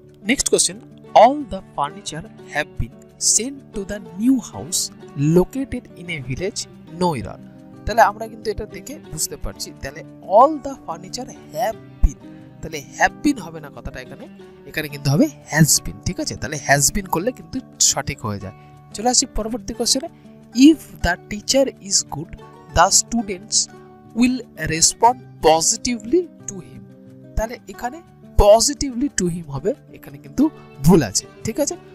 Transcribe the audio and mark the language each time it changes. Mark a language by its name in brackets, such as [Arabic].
[English] next question, all the furniture have been sent to the new house located in a village no error, [Bangla] তাহলে আমরা কিন্তু এটা দেখে বুঝতে পারছি, [English] তাহলে all the furniture have been, তাহলে have been [Bangla] হবে না কথাটা এখানে, এখানে কিন্তু হবে [English] has been, [Bangla] ঠিক আছে? তাহলে হ্যাজ বিন করলে কিন্তু সঠিক হয়ে যায়। চলে আসছি পরবর্তী কোশ্চেনে। [English] If the teacher is good, the students will respond positively to him. [Bangla] তাহলে এখানে [English] positively to him [Bangla] হবে, এখানে কিন্তু ভুল আছে, ঠিক আছে?